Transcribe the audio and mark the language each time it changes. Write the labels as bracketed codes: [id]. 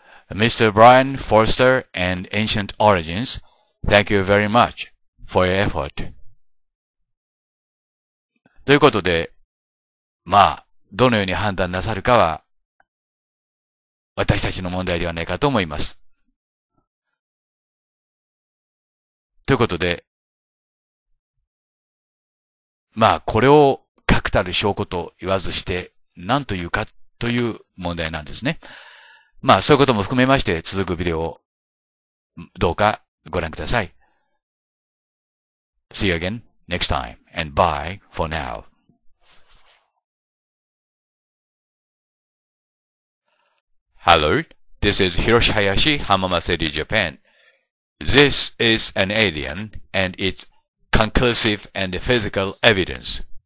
[en] Mr. Brian Forster and Ancient Origins, thank you very much for your effort. [ja] ということで、まあ、どのように判断なさるかは、私たちの問題ではないかと思います。ということで、まあ、これを確たる証拠と言わずして、何というかという問題なんですね。まあ、そういうことも含めまして、続くビデオをどうかご覧ください。 [en] See you again next time and bye for now. Hello, this is Hiroshi Hayashi, Hamamatsu, Japan. This is an alien and it's conclusive and physical evidence.